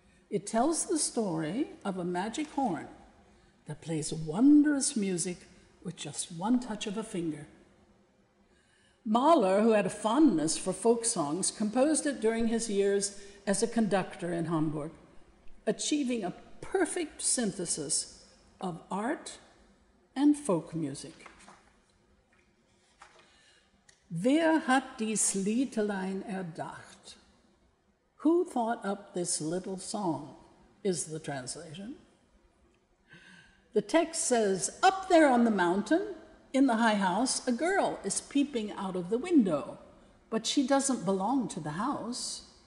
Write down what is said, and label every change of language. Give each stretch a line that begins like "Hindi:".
English: It tells the story of a magic horn that plays wondrous music with just one touch of a finger. Mahler, who had a fondness for folk songs, composed it during his years as a conductor in Hamburg, achieving a perfect synthesis of art and folk music.
German: Wer hat dies Liedlein erdacht?
English: Who thought up this little song, is the translation. The text says, up there on the mountain, in the high house, a girl is peeping out of the window, but she doesn't belong to the house.